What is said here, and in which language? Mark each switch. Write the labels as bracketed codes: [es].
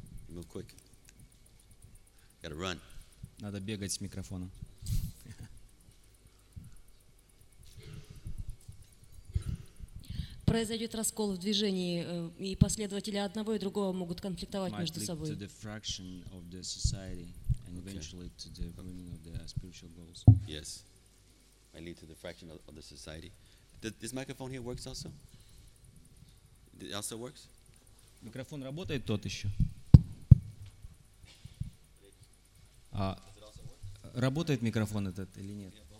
[en] Move quick. Gotta run. [ru] Надо бегать с микрофоном. произойдет раскол в движении, и последователи одного и другого могут конфликтовать между собой. [en] Might lead to the fraction of the society. This microphone here works also? It also works? [ru] Микрофон работает тот еще? Работает микрофон этот или нет?